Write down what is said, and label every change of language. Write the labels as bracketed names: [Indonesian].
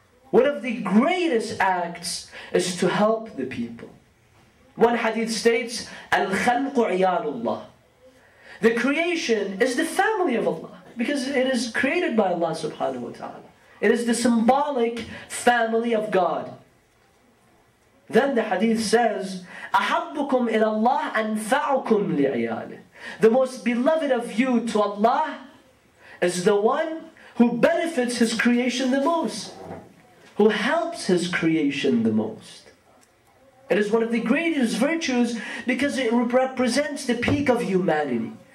[English] One of the greatest acts is to help the people. One hadith states, [Arabic] al-khalqu 'iyalullah. [English] The creation is the family of Allah, because it is created by Allah subhanahu wa ta'ala. It is the symbolic family of God. Then the hadith says, [Arabic] أَحَبُّكُمْ إِلَى اللَّهِ أَنْفَعُكُمْ لِعِيَالِهِ. [English] The most beloved of you to Allah is the one who benefits his creation the most, who helps his creation the most. It is one of the greatest virtues because it represents the peak of humanity.